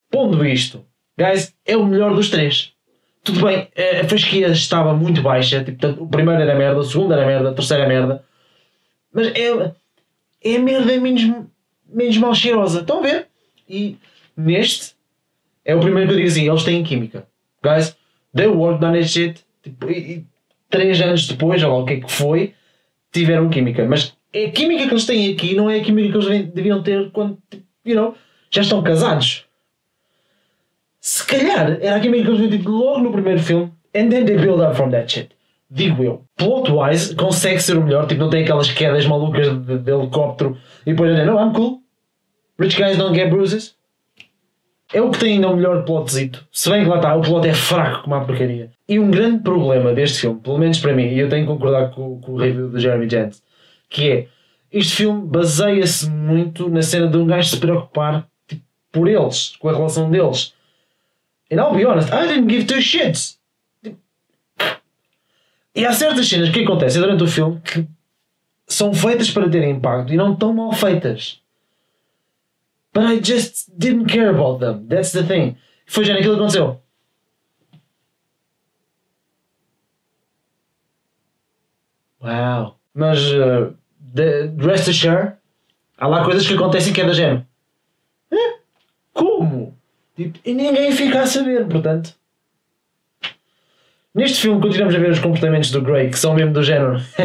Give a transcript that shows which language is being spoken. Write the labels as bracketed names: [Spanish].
[Portuguese] Pondo isto, guys, é o melhor dos três. Tudo bem, a fasquia estava muito baixa, tipo, tanto, o primeiro era merda, o segundo era merda, o terceiro era merda. Mas é a merda menos mal cheirosa. Estão a ver? E neste, é o primeiro que eu digo assim, eles têm química. [English] Guys, they worked on that shit. [Portuguese] Tipo, e 3 anos depois, ou o que é que foi, tiveram química. Mas a química que eles têm aqui não é a química que eles deviam ter quando, you know, já estão casados. Se calhar era a química que eles deviam ter logo no primeiro filme, and then they build up from that shit. Digo eu. Plot-wise, consegue ser o melhor. Tipo, não tem aquelas quedas malucas de helicóptero e depois, não, I'm cool. [English] Rich guys don't get bruises. [Portuguese] É o que tem ainda o melhor plotzito. Se bem que lá está, o plot é fraco como a porcaria. E um grande problema deste filme, pelo menos para mim, e eu tenho que concordar com o review do Jeremy Jantz, que é, este filme baseia-se muito na cena de um gajo se preocupar, tipo, por eles, com a relação deles. [English] And I'll be honest, I didn't give two shits. [Portuguese] E há certas cenas que acontecem durante o filme que são feitas para terem impacto e não tão mal feitas. [English] But I just didn't care about them. That's the thing. [Portuguese] Foi já naquilo que aconteceu. Wow. Mas, rest assured, há lá coisas que acontecem que é da gema. Como? E ninguém fica a saber, portanto. Neste filme continuamos a ver os comportamentos do Grey, que são mesmo do género.